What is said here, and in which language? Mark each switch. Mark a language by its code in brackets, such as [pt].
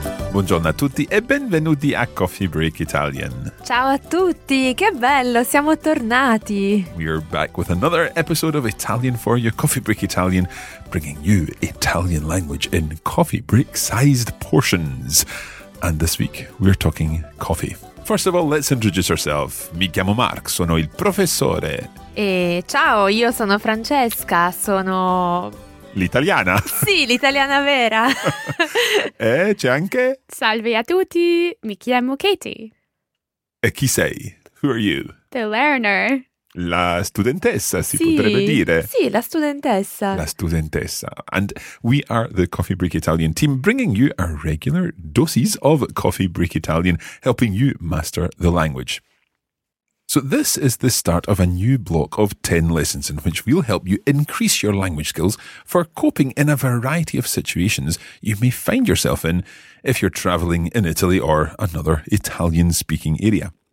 [it] Buongiorno a tutti e benvenuti a Coffee Break Italian. Ciao a tutti, che bello, siamo tornati. [en] We are back with another episode of Italian for you, Coffee Break Italian, bringing you Italian language in coffee break-sized portions. And this week, we're talking coffee. First of all, let's introduce ourselves. [it] Mi chiamo Mark, sono il professore. E ciao, io sono Francesca, sono... L'italiana? Sì, l'italiana vera. E c'è anche... Salve a tutti, mi chiamo Katie. E chi sei? [en] Who are you? The learner. [it] La studentessa, si potrebbe dire. Sì, la studentessa. La studentessa. [en] And we are the Coffee Break Italian team, bringing you our regular doses of Coffee Break Italian, helping you master the language. So this is the start of a new block of 10 lessons in which we'll help you increase your language skills for coping in a variety of situations you may find yourself in if you're travelling in Italy or another Italian-speaking area.